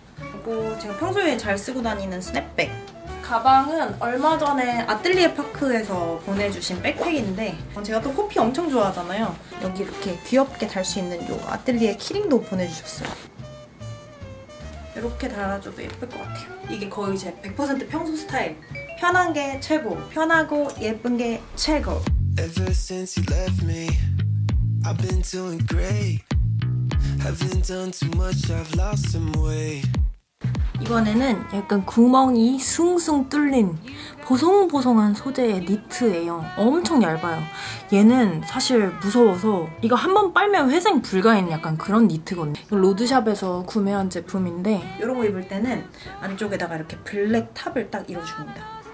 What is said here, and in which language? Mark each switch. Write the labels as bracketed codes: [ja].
[ko] 그리고 제가 평소에 잘 쓰고 다니는 스냅백 가방은 얼마 전에 아뜰리에 파크에서 보내주신 백팩인데, 제가 또 호피 엄청 좋아하잖아요. 여기 이렇게 귀엽게 달 수 있는 요 아뜰리에 키링도 보내주셨어요. 이렇게 달아줘도 예쁠 것 같아요. 이게 거의 제 100% 평소 스타일. 편한 게 최고, 편하고 예쁜 게 최고. [en] Ever since you left me, I've been doing great. Haven't done too much, I've lost some weight. [ko] 이번에는 약간 구멍이 숭숭 뚫린 보송보송한 소재의 니트예요. 엄청 얇아요. 얘는 사실 무서워서 이거 한번 빨면 회생 불가인 약간 그런 니트거든요. 로드샵에서 구매한 제품인데, 이런 거 입을 때는 안쪽에다가 이렇게 블랙 탑을 딱 이어줍니다.